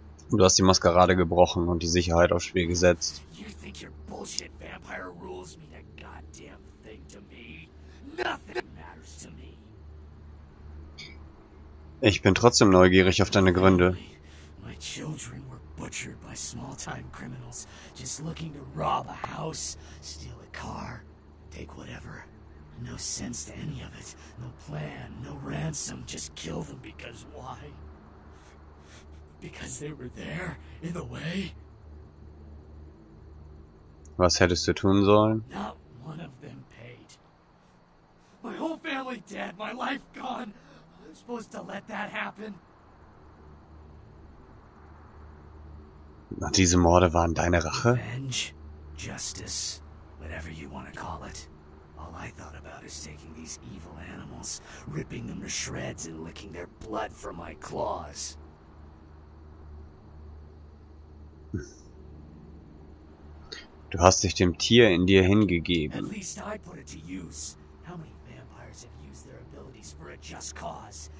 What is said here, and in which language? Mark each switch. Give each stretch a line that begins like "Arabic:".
German: Du hast die Maskerade gebrochen und die Sicherheit aufs Spiel gesetzt.
English: You think your bullshit vampire rules mean a goddamn thing to me? Nothing matters to me.
German: Ich bin trotzdem neugierig auf deine Gründe.
English: My children were butchered by small-time criminals, just looking to rob a house, steal a car, take whatever. No sense to any of it. No plan, no ransom, just kill them because why? Because they were there, in the way?
German: Was hättest du tun sollen?
English: Not one of them paid. My whole family dead, my life gone. I'm supposed to let that happen.
German: Diese Morde waren deine Rache?
English: Revenge, Justice, whatever you want to call it. All I thought about is taking these evil animals, ripping them to shreds and licking their blood from my claws.
German: Du hast dich dem Tier in dir hingegeben.
English: At least I put it to use. How many vampires have used their abilities for a just cause?